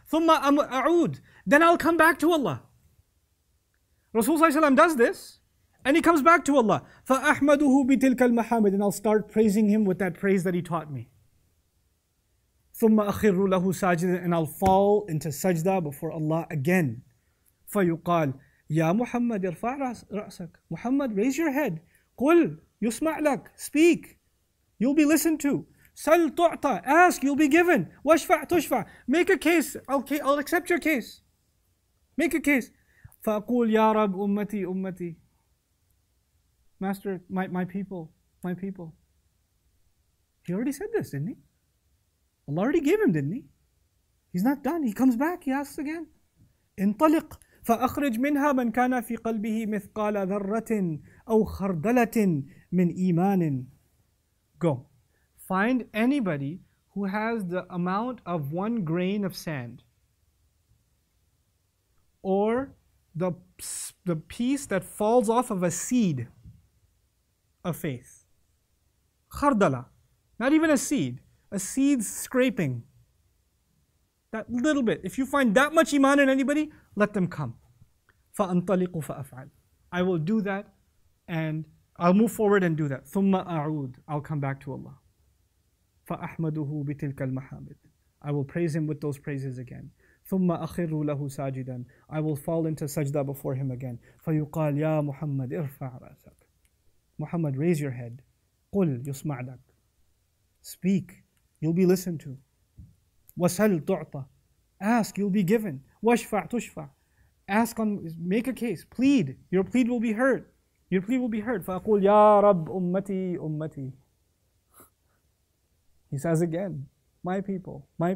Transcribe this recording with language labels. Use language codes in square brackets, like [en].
[ar] ثُمَّ أَعُودُ [en] Then I'll come back to Allah. Rasulullah ﷺ does this, and he comes back to Allah. [ar] فَأَحْمَدُهُ بِتِلْكَ الْمَحَامِدِ [en] And I'll start praising him with that praise that he taught me. [ar] ثُمَّ أَخِرُّ لَهُ سَاجِدًا [en] And I'll fall into sajda before Allah again. [ar] فَيُقَالْ يَا مُحَمَّدِ ارْفَعْ رَأْسَكَ [en] Muhammad, raise your head. [ar] قُلْ يُسْمَعْ لَكَ [en] Speak. You'll be listened to. [ar] سَلْ تُعْطَى [en] Ask, you'll be given. [ar] وَشْفَعْ تُشْفَعْ [en] Make a case. Okay, I'll accept your case. Make a case. [ar] فَأَقُولْ يَا رَبْ أُمَّتِي أُمَّتِي [en] Master, my people. He already said this, didn't he? Allah already gave him, didn't he? He's not done. He comes back, he asks again. [ar] انطلق فَأَخْرِجْ مِنْهَا مَنْ كَانَ فِي قَلْبِهِ مِثْقَالَ ذَرَّةٍ أَوْ خَرْدَلَةٍ مِنْ إِيمَانٍ [en] Go. Find anybody who has the amount of one grain of sand or the piece that falls off of a seed of faith. Khardala. Not even a seed. A seed scraping. That little bit. If you find that much iman in anybody, let them come. [ar] فَأَنْطَلِقُ فَأَفْعَلُ [en] I will do that and I'll move forward and do that. [ar] ثُمَّ أَعُودُ [en] I'll come back to Allah. [ar] فَأَحْمَدُهُ بِتِلْكَ الْمَحَامِدِ [en] I will praise him with those praises again. [ar] ثُمَّ أَخِرُّ لَهُ سَاجِدًا [en] I will fall into sajda before him again. [ar] فَيُقَالْ يَا مُحَمَّدْ اِرْفَعْ رَأْسَكَ [en] Muhammad, raise your head. [ar] قُلْ يُسْمَعْ لَكَ [en] Speak, you'll be listened to. [ar] وَسَلْ تُعْطَى [en] Ask, you'll be given. [ar] وَشْفَعْ تُشْفَعْ [en] Ask, on, make a case, plead. Your plead will be heard. Your plea will be heard. [ar] فَأَقُولْ يَا رَبْ أُمَّتِي أُمَّتِي [en] He says again, my people.